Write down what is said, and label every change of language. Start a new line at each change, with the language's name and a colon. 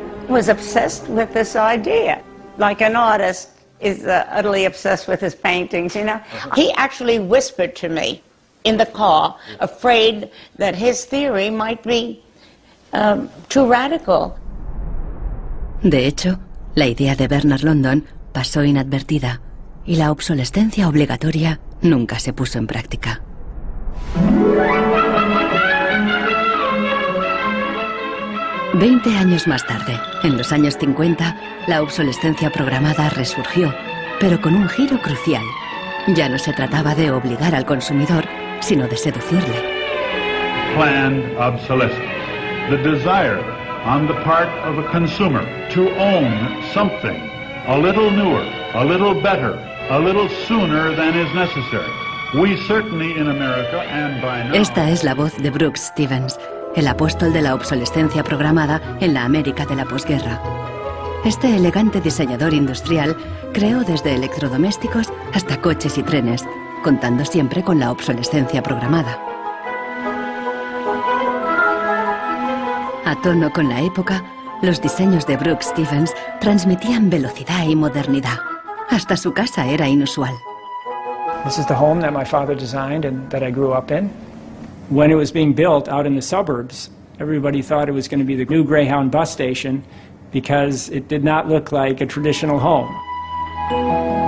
English: He was obsessed with this idea. Like an artist is utterly obsessed with his paintings, you know. Uh-huh. He actually whispered to me in the car, afraid that his theory might be too radical.
Spanish: De hecho, la idea de Bernard London pasó inadvertida. Y la obsolescencia obligatoria nunca se puso en práctica. Veinte años más tarde, en los años 50, la obsolescencia programada resurgió, pero con un giro crucial. Ya no se trataba de obligar al consumidor, sino de seducirle.
English: Planned obsolescence. The desire on the part of a consumer to own something a little newer, a little better, a little sooner than is necessary. We certainly in America and by now.
Spanish: Esta es la voz de Brooks Stevens, el apóstol de la obsolescencia programada en la América de la posguerra. Este elegante diseñador industrial creó desde electrodomésticos hasta coches y trenes, contando siempre con la obsolescencia programada. A tono con la época, los diseños de Brooks Stevens transmitían velocidad y modernidad. Hasta su casa era inusual.
English: This is the home that my father designed and that I grew up in. When it was being built out in the suburbs, everybody thought it was going to be the new Greyhound bus station because it did not look like a traditional home.